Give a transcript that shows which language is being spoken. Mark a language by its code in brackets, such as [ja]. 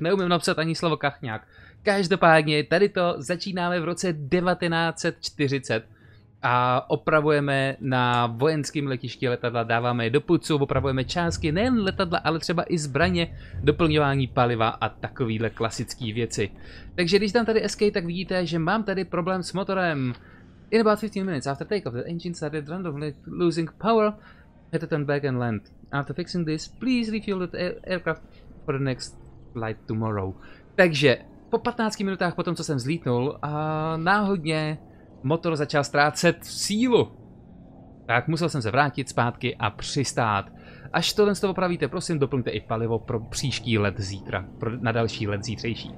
[cs] Neumím napsat ani slovo kachňák. Každopádně tady to začínáme v roce 1940. A opravujeme na vojenském letišti letadla, dáváme je do pucu, opravujeme částky, nejen letadla, ale třeba i zbraně, doplňování paliva a takovýhle klasický věci. Takže když dám tady SK, tak vidíte, že mám tady problém s motorem. [en] In about 15 minutes after takeoff, the engine started randomly losing power, had to turn back and land. After fixing this, please refuel the aircraft for the next flight tomorrow. [cs] Takže, po 15 minutách po tom, co jsem zlítnul, náhodně motor začal ztrácet sílu. Tak musel jsem se vrátit zpátky a přistát. Až tohle z toho opravíte, prosím, doplňte i palivo pro příští let zítra, pro na další let zítřejší.